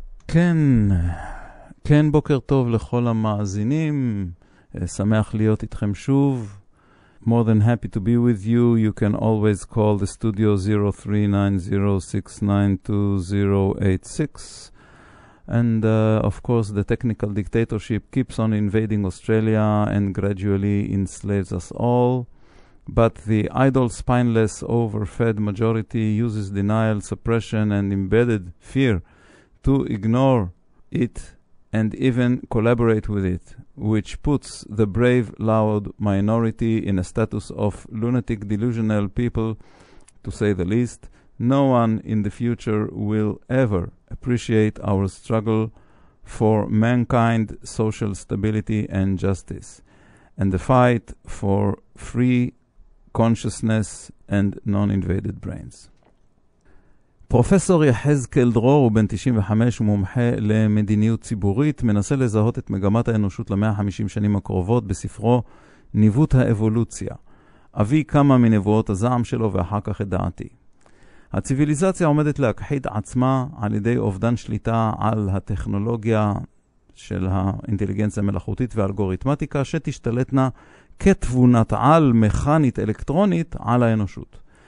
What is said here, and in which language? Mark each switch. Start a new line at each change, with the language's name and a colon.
Hebrew: כן, כן, בוקר טוב לכל המאזינים, שמח להיות איתכם שוב.
English: More than happy to be with you. You can always call the studio 0390692086, and of course the technical dictatorship keeps on invading Australia and gradually enslaves us all, but the idle, spineless, overfed majority uses denial, suppression and embedded fear to ignore it and even collaborate with it, which puts the brave, loud minority in a status of lunatic, delusional people, to say the least. No one in the future will ever appreciate our struggle for mankind, social stability and justice, and the fight for free consciousness and non-invaded brains.
Hebrew: פרופסור יחזקאל דרור הוא בן 95 ומומחה למדיניות ציבורית, מנסה לזהות את מגמת האנושות ל-150 שנים הקרובות בספרו ניווט האבולוציה. אבי כמה מנבואות הזעם שלו ואחר כך את דעתי. הציביליזציה עומדת להכחיד עצמה על ידי אובדן שליטה על הטכנולוגיה של האינטליגנציה המלאכותית והאלגוריתמטיקה שתשתלטנה כתבונת על מכנית אלקטרונית על האנושות.